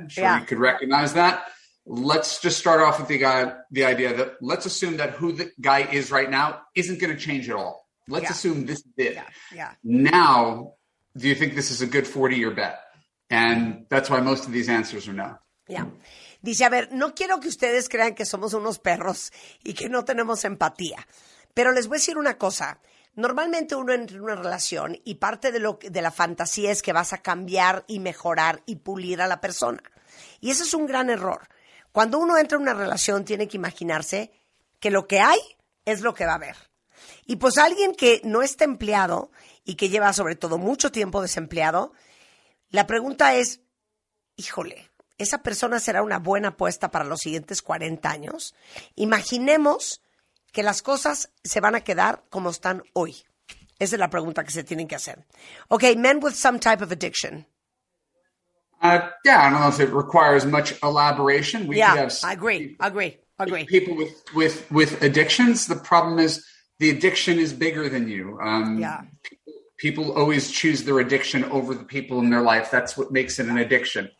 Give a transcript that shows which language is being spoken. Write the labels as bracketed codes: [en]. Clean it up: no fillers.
[en] I'm sure, yeah, you could recognize that. Let's just start off with the idea that let's assume that who the guy is right now isn't going to change at all. Let's, yeah, assume this is it. Yeah. Yeah. Now, do you think this is a good 40-year bet? And that's why most of these answers are no. Yeah. [es] Dice, a ver, no quiero que ustedes crean que somos unos perros y que no tenemos empatía. Pero les voy a decir una cosa. Normalmente uno entra en una relación y parte de la fantasía es que vas a cambiar y mejorar y pulir a la persona. Y ese es un gran error. Cuando uno entra en una relación, tiene que imaginarse que lo que hay es lo que va a haber. Y pues alguien que no está empleado y que lleva sobre todo mucho tiempo desempleado, la pregunta es, híjole, ¿esa persona será una buena apuesta para los siguientes 40 años? Imaginemos que las cosas se van a quedar como están hoy. Esa es la pregunta que se tienen que hacer. [en] Okay, men with some type of addiction. Yeah, I don't know if it requires much elaboration. We, yeah, have agree. People with addictions, the problem is the addiction is bigger than you. People always choose their addiction over the people in their life. That's what makes it an addiction.